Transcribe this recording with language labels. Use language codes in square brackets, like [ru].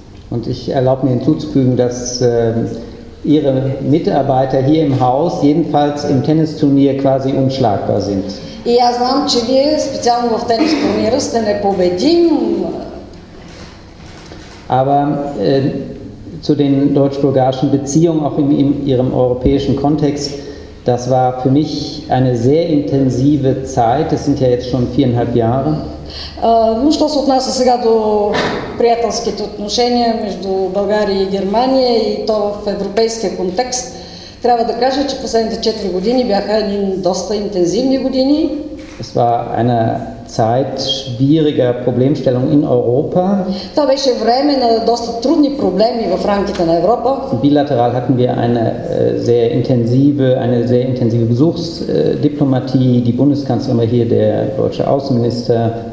[de] Und ich erlaube mir hinzuzufügen, dass Ihre Mitarbeiter hier im Haus jedenfalls im Tennisturnier quasi unschlagbar sind. [bg] И аз знам, че вие специално в тенис турнира сте непобедим. [de] Aber zu den deutsch-bulgarischen Beziehungen auch in ihrem europäischen Kontext, das war für mich eine sehr intensive Zeit, das sind ja jetzt schon 4,5 Jahre. [bg] Ну, що се отнася сега до приятелските отношения между България и Германия и то в европейския контекст, трябва да кажа, че последните 4 години бяха един доста интензивни години. [de] Es war eine Zeit schwieriger Problemstellung in Europa. [bg] Това беше време на доста трудни проблеми в рамките на Европа. [de] Bilateral hatten wir eine sehr intensive Besuchsdiplomatie, die Bundeskanzlerin war hier, der deutsche Außenminister.